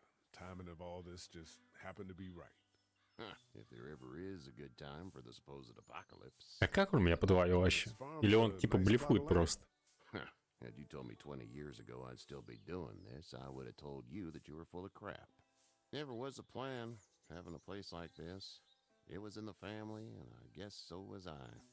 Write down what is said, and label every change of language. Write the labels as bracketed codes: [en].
[en] Timing of all this just happened to be right. If there ever is a good time for the supposed apocalypse. [ru] А как он меня подвоил вообще? Или он типа блефует просто? [en] Had you told me 20 years ago I'd still be doing this, I would have told you that you were full of crap. Never was a plan, having a place like this. It was in the family, and I guess so was I.